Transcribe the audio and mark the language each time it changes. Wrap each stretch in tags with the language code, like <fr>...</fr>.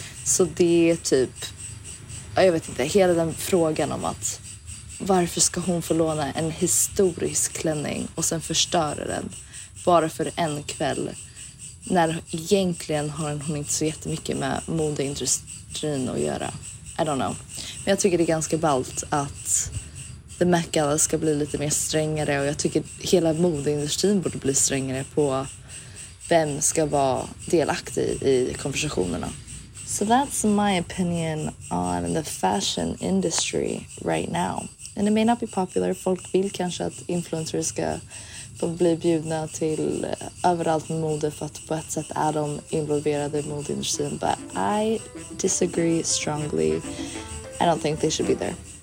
<sv>Så det är typ, jag vet inte, hela den frågan om att varför ska hon få låna en historisk klänning och sen förstöra den bara för en kväll, när egentligen har hon inte så jättemycket med modeindustrin att göra.</sv> <en>I don't know.</en> <sv>Men jag tycker det är ganska ballt att The Met Gala ska bli lite mer strängare, och jag tycker hela modeindustrin borde bli strängare på vem ska vara delaktig i konversationerna.</sv> <en>So that's my opinion on the fashion industry right now. And it may not be popular.</en> <sv>Folk vill kanske att influencers ska de blir bjudna till överallt med mode, för att på ett sätt är de involverade i modeindustrin.</sv> <en>But I disagree strongly. I don't think they should be there.</en>